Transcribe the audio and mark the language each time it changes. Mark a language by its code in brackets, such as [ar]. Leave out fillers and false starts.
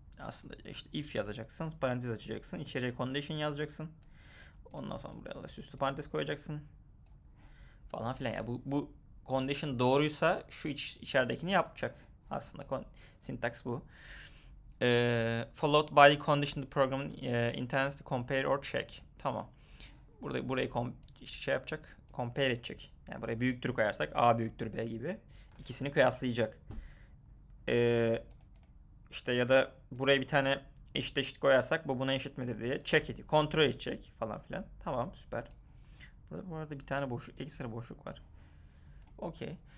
[tr] Aslında işte if yazacaksın, parantez açacaksın, içeriye condition yazacaksın. Ondan sonra buraya da süslü parantez koyacaksın. Falan filan ya yani bu condition doğruysa şu içeridekini yapacak. Aslında sintaks bu. [en] Followed by the condition the program intends to compare or check. [tr] Tamam. Burayı şey yapacak. Compare edecek. Yani buraya büyüktür koyarsak A büyüktür B gibi. İkisini kıyaslayacak. İşte ya da buraya bir tane eşit koyarsak bu buna eşit midir diye check ediyor. Kontrol edecek falan filan. Tamam süper. Burada bir tane ekstra boşluk var. Okey.